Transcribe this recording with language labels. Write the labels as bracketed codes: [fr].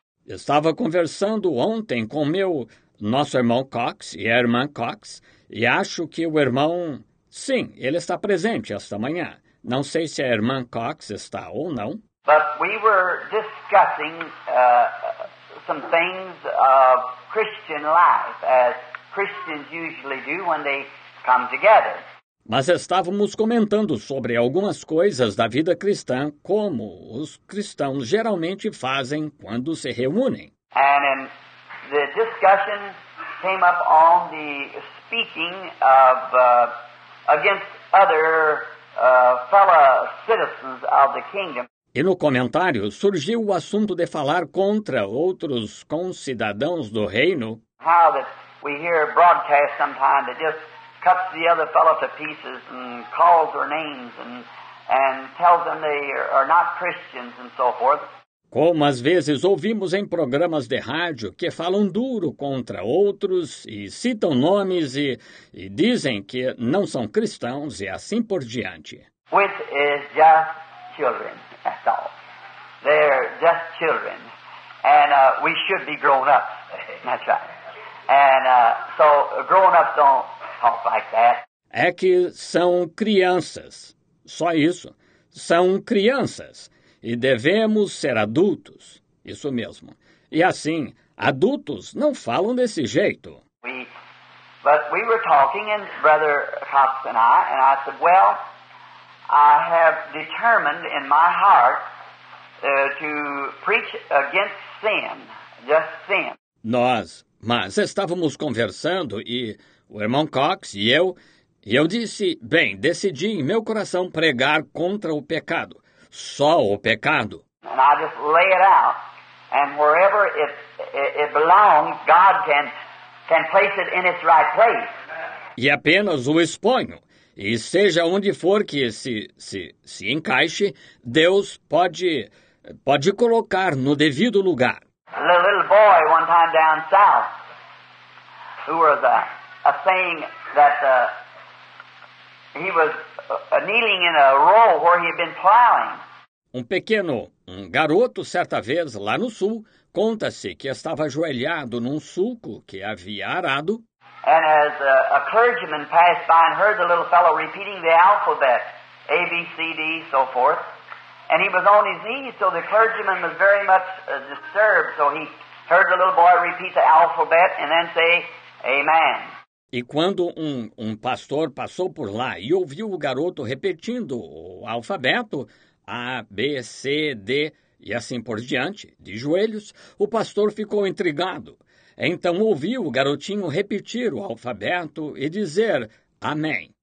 [pt] Estava conversando ontem com nosso irmão Cox e a irmã Cox, e acho que o irmão, sim, ele está presente esta manhã. Não sei se a irmã Cox está ou não. [en] But we were discussing some things of Christian life, as Christians usually do when they come together. [pt] Mas estávamos comentando sobre algumas coisas da vida cristã, como os cristãos geralmente fazem quando se reúnem. [en] And the discussion came up on the speaking of against other fellow citizens of the kingdom. [pt] E no comentário surgiu o assunto de falar contra outros concidadãos do reino. [en] How that we hear broadcast sometimes that just cuts the other fellow to pieces and calls their names and tells them they are not Christians and so forth. [pt] Como às vezes ouvimos em programas de rádio que falam duro contra outros e citam nomes e dizem que não são cristãos e assim por diante. [en] Which is just children, that's all. They're just children. And we should be grown up. That's right. And so grown up don't talk like that. [pt] É que são crianças. Só isso. São crianças. E devemos ser adultos. Isso mesmo. E assim, adultos não falam desse jeito. [en] But we were talking, and Brother Cox and I said, well, I have determined in my heart to preach against sin, just sin. [pt] Mas estávamos conversando e o irmão Cox e eu disse, bem, decidi em meu coração pregar contra o pecado. Só o pecado. [en] And I just lay it out, and wherever it belongs, God can place it in its right place. [pt] E apenas o exponho, e seja onde for que se encaixe, Deus pode colocar no devido lugar. [en] A little boy one time down south, who was a saying that he was kneeling in a row where he had been plowing. [pt] Um garoto, certa vez, lá no sul, conta-se que estava ajoelhado num sulco que havia arado. [en] And as a clergyman passed by and heard the little fellow repeating the alphabet, A, B, C, D, so forth. And he was on his knees, so the clergyman was very much disturbed. So he heard the little boy repeat the alphabet and then say, Amen. [pt] E quando um pastor passou por lá e ouviu o garoto repetindo o alfabeto, A, B, C, D e assim por diante, de joelhos, o pastor ficou intrigado. Então ouviu o garotinho repetir o alfabeto e dizer Amém.